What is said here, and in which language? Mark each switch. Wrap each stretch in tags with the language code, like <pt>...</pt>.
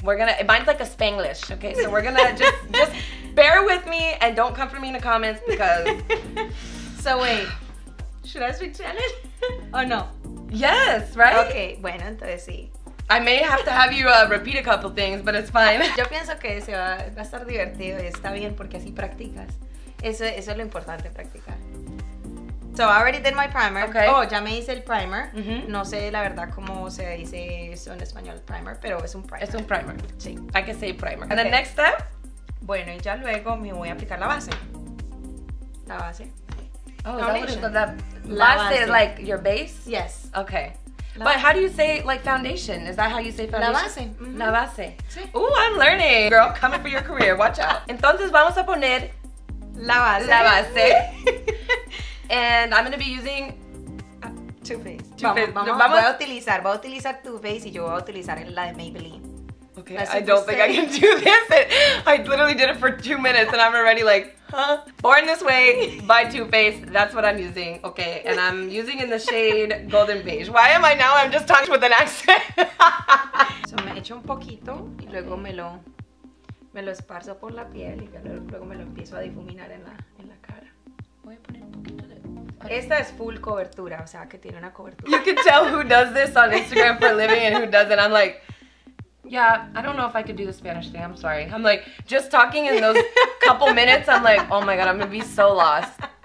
<en>Mine's like a Spanglish, okay? So we're gonna just bear with me and don't come for me in the comments because... So wait, should I speak Spanish? Oh no. Yes, right?</en> <es>Okay, bueno, entonces sí.</es> <en>I may have to have you repeat a couple things, but it's fine.</en> <es>Yo pienso que se va a estar divertido y está bien porque así practicas. Eso es lo importante, practicar.</es> <en>So I already did my primer. Okay.</en> <es>Oh, ya me hice el primer. Mm-hmm. No sé la verdad cómo se dice eso en español, primer, pero es un primer. Es un primer. Sí. Hay que decir primer.</es> <en>Okay. And the next step?</en> <es>Bueno, y ya luego me voy a aplicar la base. La base.</es> <en>Oh, la base is like your base? Yes. Okay. But how do you say like foundation? Is that how you say foundation?</en> <es>La base. Mm-hmm. La base. Sí.</es> <en>Ooh, I'm learning. Girl, coming for your career. Watch out.</en> <es>Entonces vamos a poner la base. La base.</es> <en>And I'm going to be using Too Faced.</en> <es>Vamos. Voy a utilizar Too Faced y yo voy a utilizar la de Maybelline.</es> <en>Okay, I don't think I can do this. I literally did it for 2 minutes and I'm already like, huh? Born This Way by Too Faced. That's what I'm using. Okay, and I'm using in the shade Golden Beige. Why am I now? I'm just talking with an accent.</en> <es>So me echo un poquito y luego me lo esparzo por la piel y luego me lo empiezo a difuminar en la cara. Voy a poner un poquito. Esta es full cobertura, o sea, que tiene una cobertura.</es> <en>You can tell who does this on Instagram for a living and who doesn't. I'm like, yeah, I don't know if I could do the Spanish thing. I'm sorry. I'm like, just talking in those couple minutes, I'm like, oh my God, I'm going to be so lost.</en>